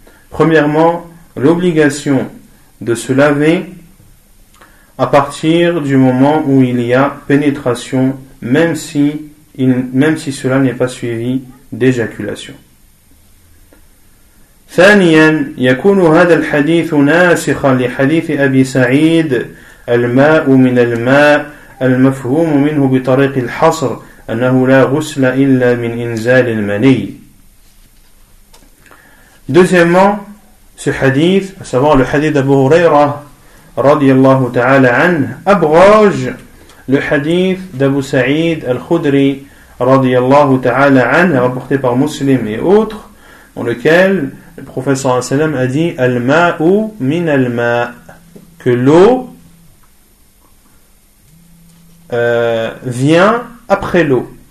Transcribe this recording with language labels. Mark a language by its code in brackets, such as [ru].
[fr] Premièrement, l'obligation de se laver à partir du moment où il y a pénétration, même si cela n'est pas suivi d'éjaculation. [ar] ثانيا يكون هذا الحديث ناسخا لحديث أبي سعيد الماء من الماء المفهوم منه بطريق الحصر أنه لا غسل إلا من إنزال المني. [fr] Deuxièmement, ce hadith, à savoir le hadith d'Abu Huraira [ar] رضي الله تعالى عنه, [fr] abroge le hadith d'Abu Sa'id al-Khudri رضي الله تعالى عنه, rapporté par Muslim et autres, dans lequel le prophète sallallahu alayhi wa sallam a dit [ar] al-ma'u min al-ma', [fr] que l'eau vient après l'eau.